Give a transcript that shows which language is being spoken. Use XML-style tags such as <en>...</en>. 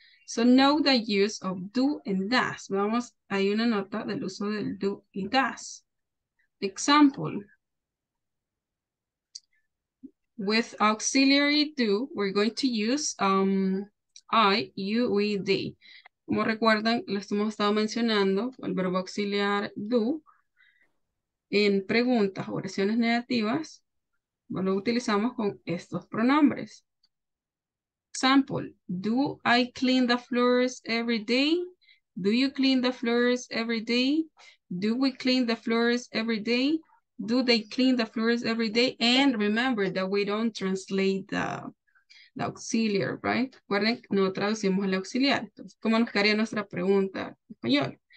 <en>So know the use of do and does.</en> <es>Vamos, hay una nota del uso del do y does. Example.</es> <en>With auxiliary do, we're going to use I, you, we, they.</en> <es>Como recuerdan, lo hemos estado mencionando, el verbo auxiliar do, en preguntas o oraciones negativas, lo utilizamos con estos pronombres.</es> <en>Example, do I clean the floors every day? Do you clean the floors every day? Do we clean the floors every day? Do they clean the floors every day? And remember that we don't translate the auxiliar, right?</en> <es>Recuerden que no traducimos el auxiliar. Entonces, ¿cómo nos quedaría nuestra pregunta en español?</es>